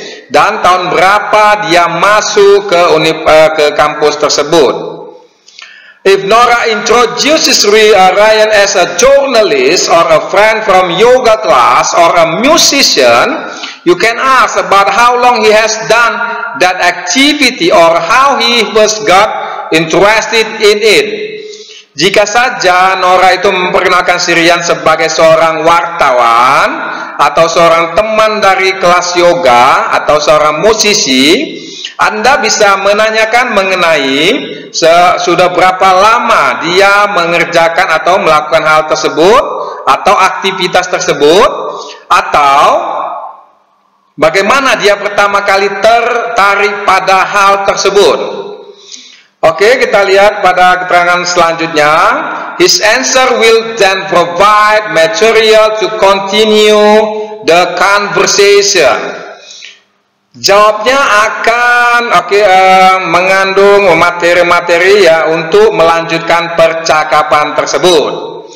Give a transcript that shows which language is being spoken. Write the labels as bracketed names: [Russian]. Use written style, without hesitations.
[Indonesian] Dan tahun berapa dia masuk ke kampus tersebut. [English] If Nora introduces Ryan as a journalist or a friend from yoga class or a musician, you can ask about how long he has done that activity or how he first got interested in it. [Indonesian] Jika saja Nora itu memperkenalkan si Rian sebagai seorang wartawan atau seorang teman dari kelas yoga atau seorang musisi, Anda bisa menanyakan mengenai sudah berapa lama dia mengerjakan atau melakukan hal tersebut atau aktivitas tersebut, atau bagaimana dia pertama kali tertarik pada hal tersebut. Oke, kita lihat pada keterangan selanjutnya. [English] His answer will then provide material to continue the conversation. [Indonesian] Jawabnya akan mengandung materi-materi ya untuk melanjutkan percakapan tersebut.